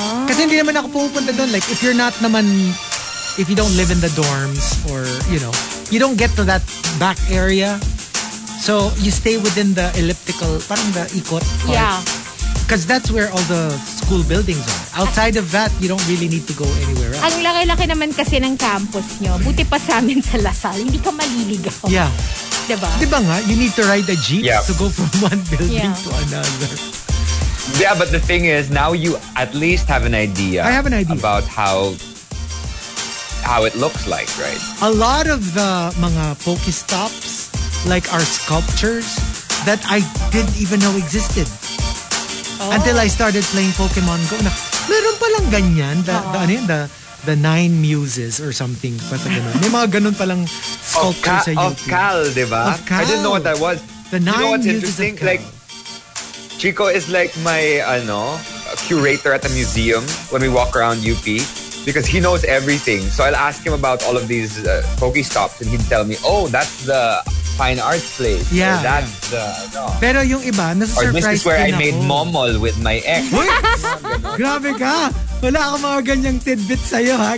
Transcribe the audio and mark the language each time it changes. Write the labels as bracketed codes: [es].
[tl] Kasi hindi naman ako pupunta doon. [en] Like, if you're not naman, if you don't live in the dorms or, you know, you don't get to that back area. So, you stay within the elliptical, parang the ikot part. Yeah. Because that's where all the school buildings are. Outside of that, you don't really need to go anywhere else. [tl] Ang laki-laki naman kasi ng campus nyo. Buti pa sa amin sa Lasal. Hindi ka maliligaw. [en] Yeah. [tl] Diba? Diba nga? [en] You need to ride a jeep to go from one building to another. Yeah, but the thing is, now you at least have an idea. I have an idea. About how it looks like, right? A lot of the mga Pokestops, like our sculptures that I didn't even know existed until I started playing Pokemon Go. [tl] Na, meron palang ganyan. [en] The nine muses or something. [tl] Basta ganun. May mga ganun palang sculptures sa YouTube. [en] Of Cal, diba? Of Cal. I didn't know what that was. The nine you know what's muses interesting? Of Cal. Like, Chico is like my curator at the museum when we walk around UP. Because he knows everything. So I'll ask him about all of these Pokestops and he'd tell me, oh, that's the fine arts place. Yeah. Or, that's the... No. [tl] Pero yung iba, nasa-surprise din ako. [en] Or this is where I made momol with my ex. [tl] Wait! Grabe ka! Wala akong mga ganyang tidbit sa'yo, ha?